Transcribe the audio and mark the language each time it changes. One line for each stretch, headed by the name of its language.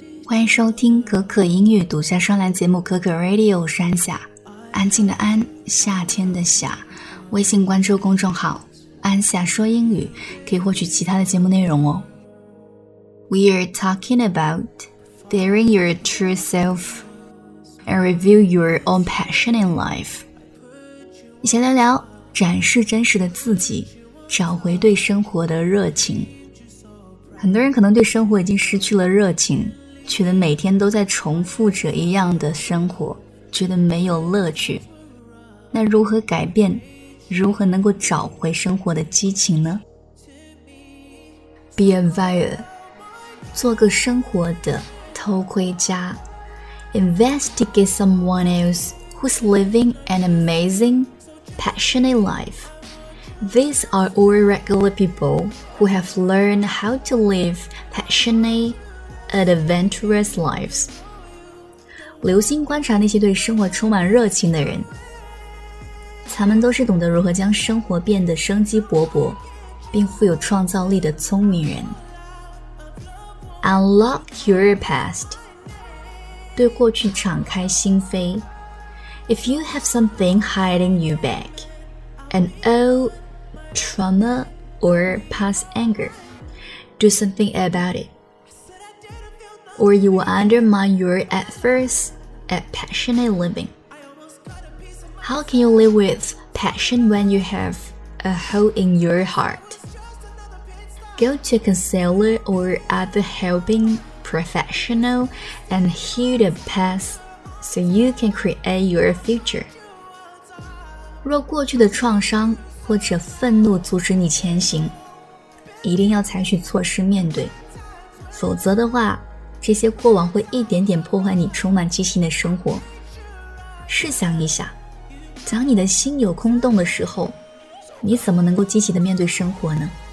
Chinese: 迎收听可可英语独家专栏节目可可 Radio， 我是安夏，安静的安，夏天的夏。微信关注公众号安夏说英语，可以获取其他的节目内容哦。
English: We are talking about daring your true self and reveal your own passion in life。
Chinese: 先聊聊展示真实的自己，找回对生活的热情。很多人可能对生活已经失去了热情，觉得每天都在重复着一样的生活，觉得没有乐趣。那如何改变，如何能够找回生活的激情呢？
English: Be a viewer，
Chinese: 做个生活的偷窥家。
English: Investigate someone else who's living an amazing passionate life。 These are all regular people who have learned how to live passionate and adventurous lives.
Chinese: 留心观察那些对生活充满热情的人，他们都是懂得如何将生活变得生机勃勃并富有创造力的聪明人。
English: Unlock your past，
Chinese: 对过去敞开心扉。
English: If you have something hiding you back, an oldTrauma or past anger, do something about it, or you will undermine your efforts at passionate living. How can you live with passion when you have a hole in your heart? Go to a counselor or other helping professional and heal the past so you can create your future.
Chinese: 若过去的创伤或者愤怒阻止你前行，一定要采取措施面对，否则的话，这些过往会一点点破坏你充满激情的生活。试想一下，当你的心有空洞的时候，你怎么能够积极地面对生活呢？